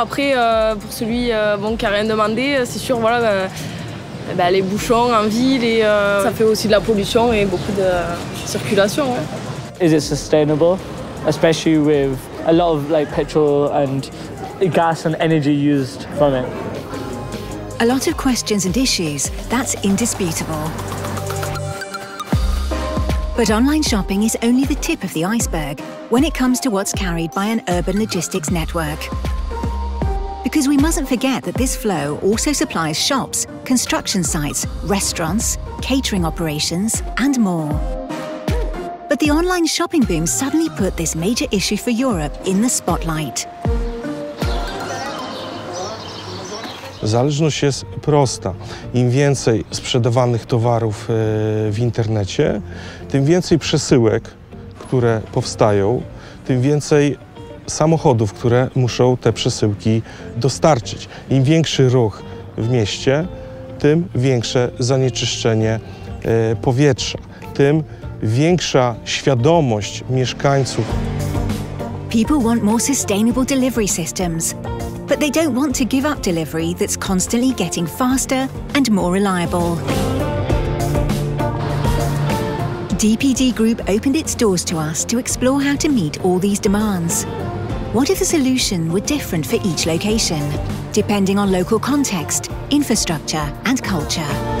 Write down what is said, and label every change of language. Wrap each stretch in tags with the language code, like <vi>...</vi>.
<fr>Après, pour celui qui a rien demandé, c'est sûr, voilà, les bouchons en ville et ça fait aussi de la pollution et beaucoup de circulation. Hein.</fr> <en>Is it sustainable, especially with a lot of like petrol and gas and energy used from it? A lot of questions and issues. That's indisputable. But online shopping is only the tip of the iceberg when it comes to what's carried by an urban logistics network. Because we mustn't forget that this flow also supplies shops, construction sites, restaurants, catering operations, and more. But the online shopping boom suddenly put this major issue for Europe in the spotlight.</en> <pl>Zależność jest prosta. Im więcej sprzedawanych towarów w internecie, tym więcej przesyłek, które powstają, tym więcej samochodów, które muszą te przesyłki dostarczyć. Im większy ruch w mieście, tym większe zanieczyszczenie powietrza, tym większa świadomość mieszkańców.</pl> <en>People want more sustainable delivery systems. But they don't want to give up delivery that's constantly getting faster and more reliable. DPDgroup opened its doors to us to explore how to meet all these demands. What if the solution were different for each location, depending on local context, infrastructure, and culture?</en>